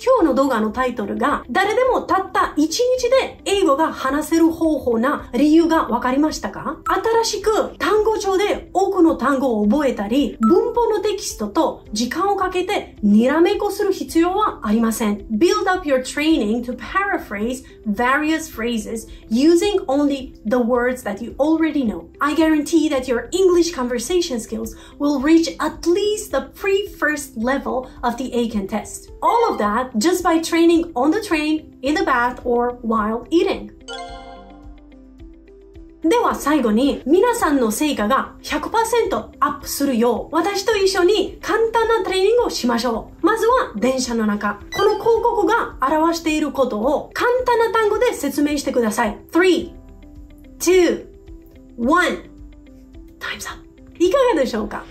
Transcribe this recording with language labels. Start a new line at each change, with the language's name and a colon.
Japanese: 今日の動画のタイトルが誰でもたった1日で英語が話せる方法な理由がわかりましたか？新しく単語帳で多くの単語を覚えたり、文法のテキストと時間をかけてにらめっこする必要はありません。
English: Build up your training to paraphrase various phrases using only the words that you already know. I guarantee that your English conversation skills will reach at least the pre-first level of the AKEN test. All of that just by training on the train, in the bath, or while eating.
Japanese: では最後に皆さんの成果が 100% アップするよう私と一緒に簡単なトレーニングをしましょう。まずは電車の中。この広告が表していることを簡単な単語で説明してください。 3, 2, 1
English: Time's up!
Japanese: いかがでしょうか？